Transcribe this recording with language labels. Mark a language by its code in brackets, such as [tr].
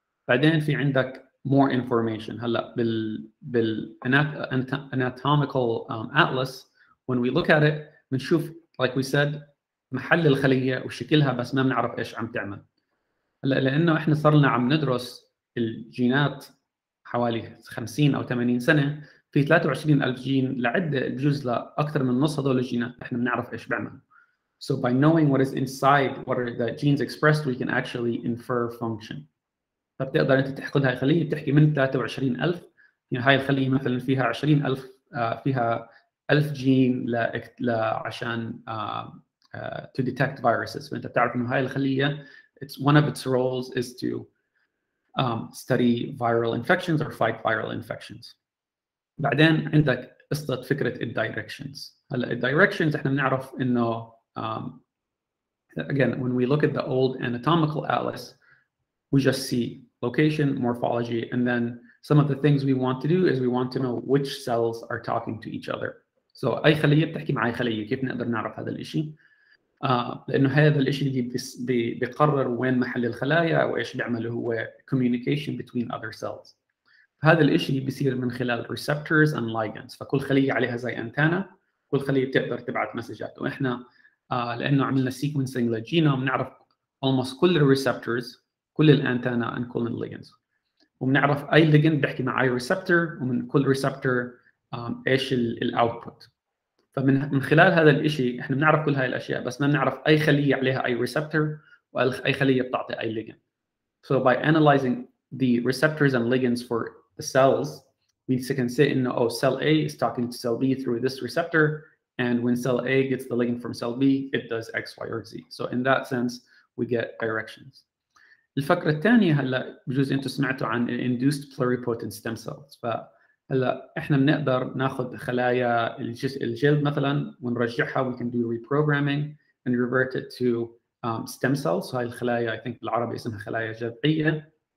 [ar] بعدين في عندك [en] more information. [ar] هلا بال [en] anatomical atlas when we look at it [ar] بنشوف [en] like we said [ar] محل الخلية وشكلها، بس ما بنعرف إيش عم تعمل. هلا لأنه إحنا صرنا عم ندرس الجينات حوالي 50 أو 80 سنة، في 23,000 جين لعدة بجوز لأكثر من نص هذول الجينات إحنا بنعرف إيش بعمل. [en] So by knowing what is inside, what are the genes expressed, we can actually infer function. [ar] فبتقدر أنت تحقد هاي الخلية بتحكي من 23,000، يعني هاي الخلية مثلا فيها 20,000، فيها 1000 جين عشان [en] to detect viruses. [ar] فأنت بتعرف إنه هاي الخلية [en] it's one of its roles is to study viral infections or fight viral infections. [ar] بعدين عندك قصة فكرة الـ directions. هلا الـ directions احنا بنعرف انه [en] again when we look at the old anatomical atlas we just see location, morphology, and then some of the things we want to do is we want to know which cells are talking to each other. [ar] So اي خلية بتحكي مع اي خلية، كيف نقدر نعرف هذا الاشي؟ لأنه هذا الإشي اللي بيقرر وين محل الخلايا وإيش بيعمله هو [en] communication between other cells. [ar] هذا الإشي بيصير من خلال [en] receptors and ligands. [ar] فكل خلية عليها زي أنتانا، كل خلية بتقدر تبعت مسجات. وإحنا لأنه عملنا sequencing للجينوم نعرف almost كل receptors، كل الأنتانا and كل الligands، وبنعرف أي ligand بيحكي مع أي receptor، ومن كل receptor إيش الـ output. فمن خلال هذا الإشي إحنا بنعرف كل هاي الأشياء، بس ما بنعرف أي خلية عليها أي receptor وأي خلية بتعطي أي ligand. [en] So by analyzing the receptors and ligands for the cells, we can say إنه oh cell A is talking to cell B through this receptor, and when cell A gets the ligand from cell B, it does X, Y, or Z. So in that sense, we get directions. [ar] الفكرة الثانية هلا بجوز انتم سمعتوا عن induced pluripotent stem cells. [en] فهلا احنا بنقدر ناخذ خلايا الجلد مثلا ونرجعها, we can do reprogramming and revert it to stem cells. [ar] هاي الخلايا [en] I think [ar] بالعربي اسمها خلايا جذعية.